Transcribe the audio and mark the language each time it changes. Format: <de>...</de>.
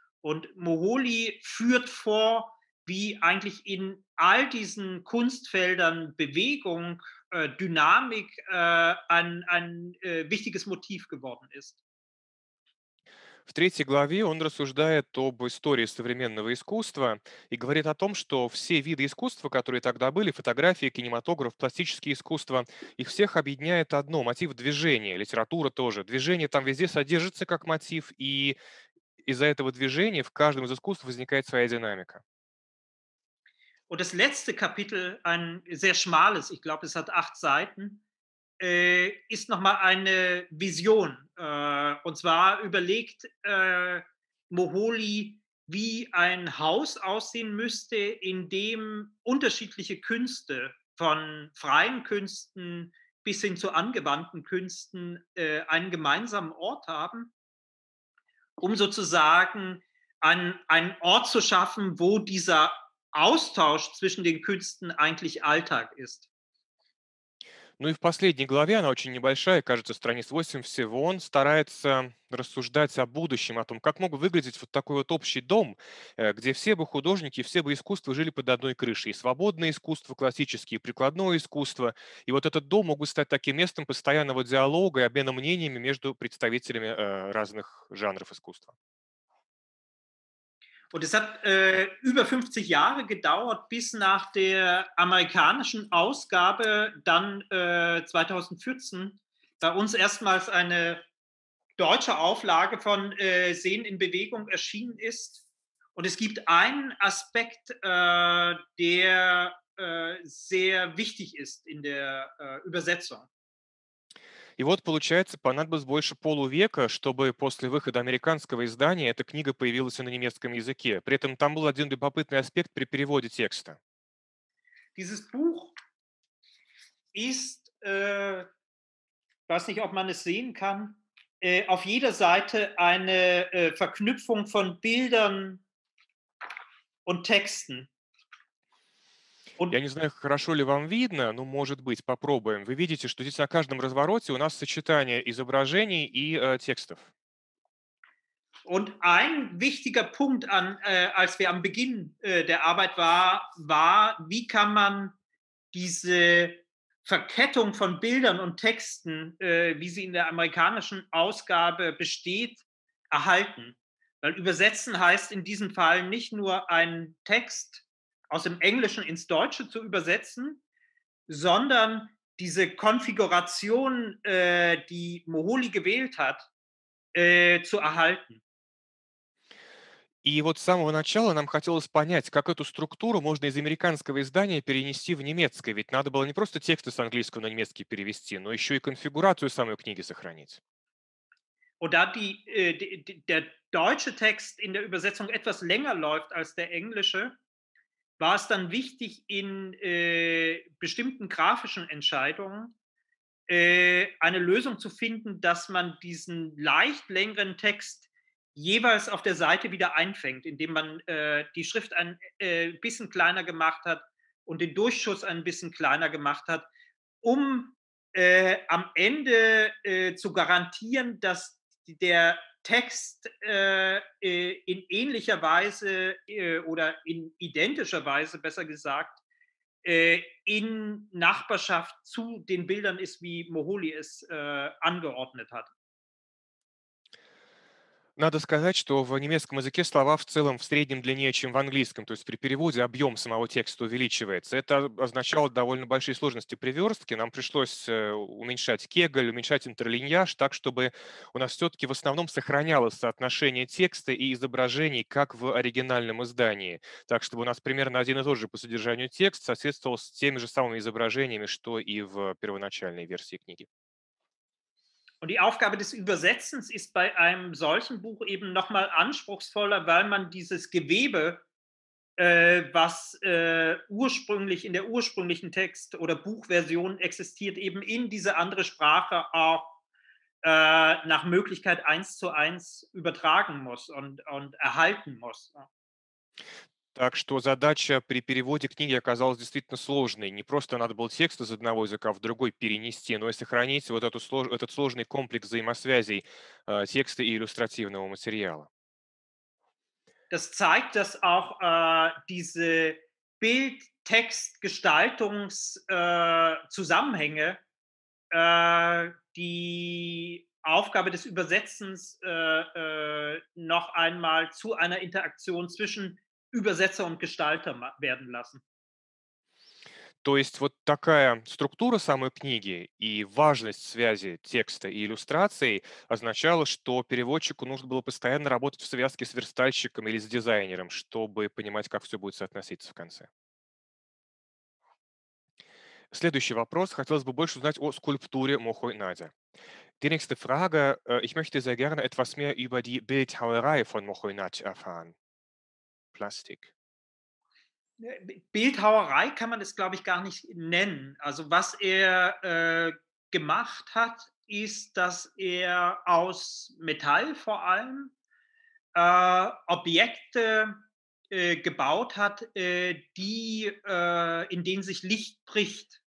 <de>Und Moholy führt vor, wie eigentlich in all diesen Kunstfeldern Bewegung, Dynamik ein wichtiges Motiv geworden ist.</de> <ru>В третьей главе он рассуждает об истории современного искусства и говорит о том, что все виды искусства, которые тогда были, фотографии, кинематограф, пластические искусства, их всех объединяет одно – мотив движения, литература тоже. Движение там везде содержится как мотив, и из-за этого движения в каждом из искусств возникает своя динамика.</ru> <de>Und das letzte Kapitel, ein sehr schmales, ich glaube, es hat 8 Seiten, ist nochmal eine Vision. Und zwar überlegt Moholy, wie ein Haus aussehen müsste, in dem unterschiedliche Künste von freien Künsten bis hin zu angewandten Künsten einen gemeinsamen Ort haben, um sozusagen einen Ort zu schaffen, wo dieser Austausch zwischen den Künsten eigentlich Alltag ist.</de> <ru>Ну и в последней главе, она очень небольшая, кажется, страниц 8 всего, он старается рассуждать о будущем, о том, как мог выглядеть вот такой вот общий дом, где все бы художники, все бы искусства жили под одной крышей. И свободное искусство классическое, и прикладное искусство. И вот этот дом мог бы стать таким местом постоянного диалога и обмена мнениями между представителями разных жанров искусства.</ru> <de>Und es hat über 50 Jahre gedauert, bis nach der amerikanischen Ausgabe dann 2014 bei uns erstmals eine deutsche Auflage von Sehen in Bewegung erschienen ist. Und es gibt einen Aspekt, der sehr wichtig ist in der Übersetzung.</de> <ru>И вот, получается, понадобилось больше полувека, чтобы после выхода американского издания эта книга появилась на немецком языке. При этом там был один любопытный аспект при переводе текста.</ru> <de>Dieses Buch ist, weiß nicht, ob man es sehen kann, auf jeder Seite eine Verknüpfung von Bildern und Texten.</de> <ru>Я не знаю, хорошо ли вам видно, но, может быть, попробуем. Вы видите, что здесь на каждом развороте у нас сочетание изображений и текстов.</ru> <de>Und ein wichtiger Punkt, als wir am Beginn der Arbeit war, wie kann man diese Verkettung von Bildern und Texten, wie sie in der amerikanischen Ausgabe besteht, erhalten? Weil übersetzen heißt in diesem Fall nicht nur einen Text aus dem Englischen ins Deutsche zu übersetzen, sondern diese Konfiguration, die Moholy gewählt hat, zu erhalten.</de> <ru>И вот с самого начала нам хотелось понять, как эту структуру можно из американского издания перенести в немецкое, ведь надо было не просто тексты с английского на немецкий перевести, но еще и конфигурацию самой книги сохранить.</ru> <de>Oder der deutsche Text in der Übersetzung etwas länger läuft als der englische, war es dann wichtig, in bestimmten grafischen Entscheidungen eine Lösung zu finden, dass man diesen leicht längeren Text jeweils auf der Seite wieder einfängt, indem man die Schrift ein bisschen kleiner gemacht hat und den Durchschuss ein bisschen kleiner gemacht hat, um am Ende zu garantieren, dass der Text in ähnlicher Weise oder in identischer Weise, besser gesagt, in Nachbarschaft zu den Bildern ist, wie Moholy es angeordnet hat.</de> <ru>Надо сказать, что в немецком языке слова в целом в среднем длиннее, чем в английском. То есть при переводе объем самого текста увеличивается. Это означало довольно большие сложности при верстке. Нам пришлось уменьшать кегль, уменьшать интерлиньяж, так чтобы у нас все-таки в основном сохранялось соотношение текста и изображений, как в оригинальном издании. Так чтобы у нас примерно один и тот же по содержанию текст соответствовал с теми же самыми изображениями, что и в первоначальной версии книги.</ru> <de>Und die Aufgabe des Übersetzens ist bei einem solchen Buch eben nochmal anspruchsvoller, weil man dieses Gewebe, was ursprünglich in der ursprünglichen Text- oder Buchversion existiert, eben in diese andere Sprache auch nach Möglichkeit 1:1 übertragen muss und erhalten muss.</de> <ru>Так что задача при переводе книги оказалась действительно сложной. Не просто надо было текст из одного языка в другой перенести, но и сохранить вот этот сложный комплекс взаимосвязей текста и иллюстративного материала.</ru> <de>Das zeigt, dass auch diese Bild-Text-Gestaltungs-Zusammenhänge die Aufgabe des Übersetzens noch einmal zu einer Interaktion zwischen Übersetzer und Gestalter werden lassen.</de> <ru>То есть вот такая структура самой книги и важность связи текста и иллюстрации означало, что переводчику нужно было постоянно работать в связке с верстальщиком или с дизайнером, чтобы понимать, как все будет соотноситься в конце. Следующий вопрос. Хотелось бы больше узнать о скульптуре Мохой Надя.</ru> <de>Die nächste Frage. Ich möchte sehr gerne etwas mehr über die Bildhauerei von Мохой Надя erfahren. Plastik. Bildhauerei kann man es, glaube ich, gar nicht nennen. Also was er gemacht hat, ist, dass er aus Metall vor allem Objekte gebaut hat, in denen sich Licht bricht.</de>